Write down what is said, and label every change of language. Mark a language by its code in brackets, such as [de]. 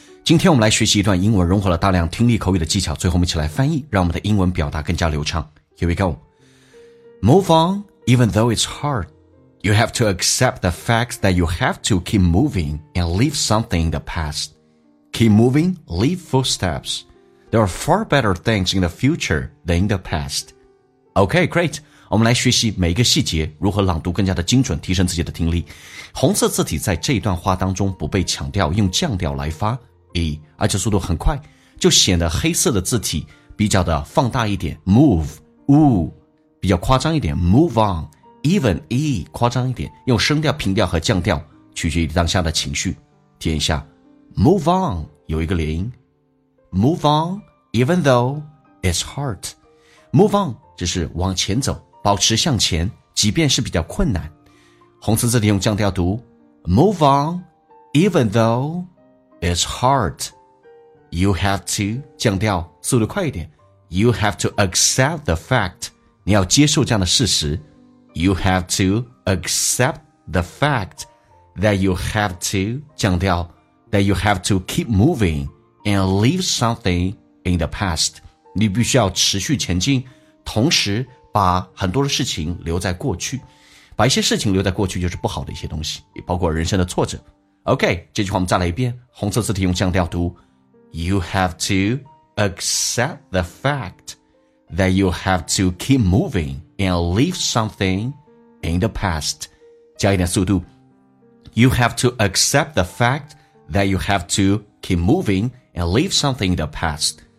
[zh] 今天我们来学习一段英文，融合了大量听力口语的技巧，最后我们一起来翻译，让我们的英文表达更加流畅。 [en] Here we go. Move on, even though it's hard. You have to accept the fact that you have to keep moving and leave something in the past. Keep moving, leave footsteps. There are far better things in the future than in the past. Okay, great. [zh] 我们来学习每一个细节，如何朗读更加的精准，提升自己的听力。红色字体在这一段话当中不被强调，用降调来发，而且速度很快，就显得黑色的字体比较的放大一点 ，move， 呜，比较夸张一点 ，move on，even， 咦，夸张一点，用升调、平调和降调，取决于当下的情绪。体验一下 ，move on 有一个连音 ，move on， [en] even though it's hard， [zh] move on 只是往前走。保持向前，即便是比较困难。红色字体用降调读 [en] Move on, even though it's hard. You have to, [zh] 降调，速度快一点。 [en] You have to accept the fact. [zh] 你要接受这样的事实。 [en] You have to accept the fact that you have to, 降调， that you have to keep moving and leave something in the past. [zh] 你必须要持续前进，同时把很多的事情留在过去，把一些事情留在过去就是不好的一些东西，也包括人生的挫折。 [en] OK， [zh] 这句话我们再来一遍，红色字体用降调读 [en] You have to accept the fact that you have to keep moving and leave something in the past. [zh] 加一点速度 [en] You have to accept the fact that you have to keep moving and leave something in the past.